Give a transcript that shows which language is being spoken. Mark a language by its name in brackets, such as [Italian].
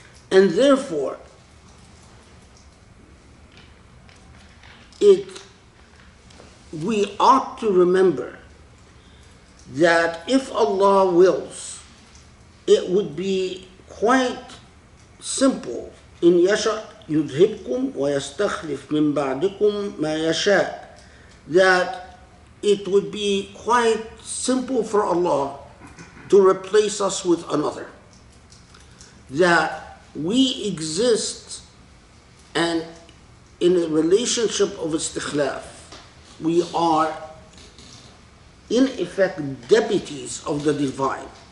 [English] And therefore, we ought to remember that if Allah wills, it would be quite simple [Arabic] إن يشأ يذهبكم ويستخلف من بعدكم ما يشاء. [English] That it would be quite simple for Allah to replace us with another. That we exist and in a relationship of istikhlaf, we are in effect deputies of the divine.